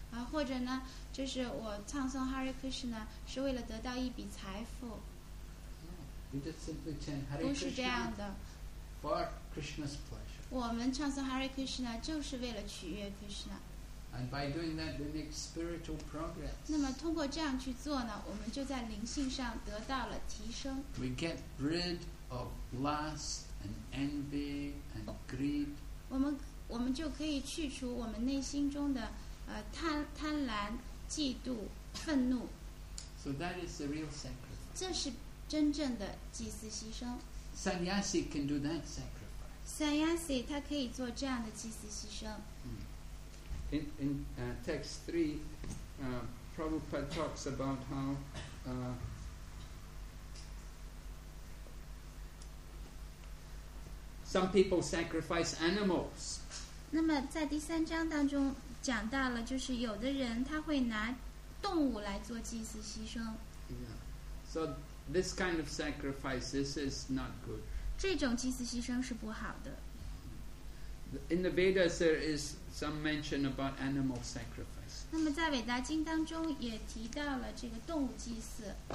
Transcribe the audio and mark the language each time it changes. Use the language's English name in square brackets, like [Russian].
[Chinese] 或者呢，就是我唱诵 Hare Krishna 是为了得到一笔财富。 [English] No, you just simply chant Hare Krishna. [Chinese] 不是这样的。 [English] For Krishna's pleasure. [Chinese] 我们唱诵 Hare Krishna 就是为了取悦 Krishna。 [English] And by doing that, we make spiritual progress. [Chinese] 那么通过这样去做呢，我们就在灵性上得到了提升。 [English] We get rid of lust and envy and greed. [Chinese] 我们就可以去除我们内心中的贪婪、嫉妒、愤怒。 [English] So that is the real sacrifice. [Chinese] 这是真正的祭祀牺牲。 [English] Sannyasi can do that sacrifice. [Chinese] Sannyasi 他可以做这样的祭祀牺牲。 [English] In text 3, Prabhupada talks about how some people sacrifice animals. [Chinese] 那么在第三章当中讲到了，就是有的人他会拿动物来做祭祀牺牲。 [English] So this kind of sacrifice, this is not good. [Chinese] 这种祭祀牺牲是不好的。 [English] In the Vedas, there is some mention about animal sacrifice. [Chinese] 那么在伟大经当中也提到了这个动物祭祀。